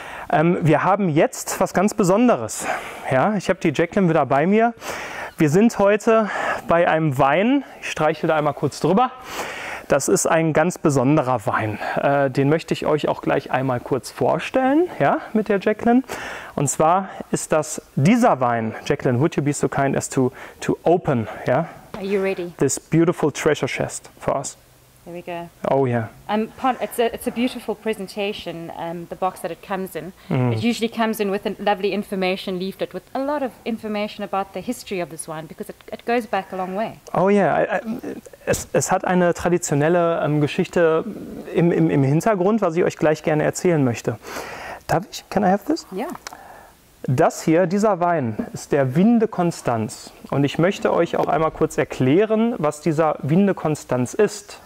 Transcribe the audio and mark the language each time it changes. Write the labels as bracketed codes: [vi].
[de] Wir haben jetzt was ganz Besonderes. Ja, ich habe die Jacqueline wieder bei mir. Wir sind heute bei einem Wein, ich streichle da einmal kurz drüber, das ist ein ganz besonderer Wein. Den möchte ich euch auch gleich einmal kurz vorstellen, ja, mit der Jacqueline. Und zwar ist das dieser Wein. [en] Jacqueline, would you be so kind as to open, yeah? Are you ready? This beautiful treasure chest for us. There we go. Oh yeah. It's a beautiful presentation, the box that it comes in. Mm. It usually comes in with a lovely information leaflet with a lot of information about the history of this wine because it goes back a long way. Oh yeah. [de] Es hat eine traditionelle Geschichte im Hintergrund, was ich euch gleich gerne erzählen möchte. Darf ich? [en] Can I have this? Yeah. [de] Das hier, dieser Wein, ist der Vin de Constance. Und ich möchte euch auch einmal kurz erklären, was dieser Vin de Constance ist.